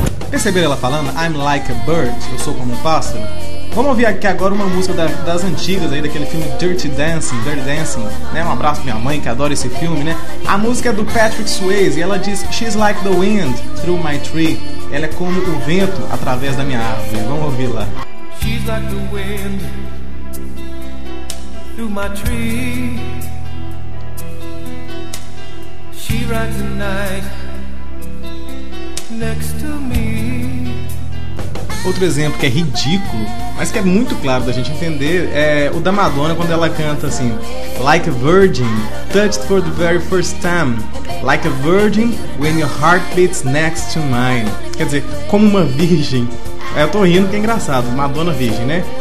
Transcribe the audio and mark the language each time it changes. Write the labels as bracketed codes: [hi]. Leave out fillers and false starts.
[pt] Perceberam ela falando, [en] I'm like a bird, [pt] eu sou como um pássaro? Vamos ouvir aqui agora uma música das antigas aí, daquele filme Dirty Dancing, né? Um abraço pra minha mãe que adora esse filme, né? A música é do Patrick Swayze e ela diz, [en] she's like the wind through my tree. [pt] Ela é como o vento através da minha árvore. Vamos ouvir lá. [en] She's like the wind through my tree. She rides the night next to me. [pt] Outro exemplo que é ridículo, mas que é muito claro da gente entender, é o da Madonna quando ela canta assim, [en] like a virgin, touched for the very first time, like a virgin, when your heart beats next to mine. [pt] Quer dizer, como uma virgem, eu tô rindo que é engraçado, Madonna virgem, né?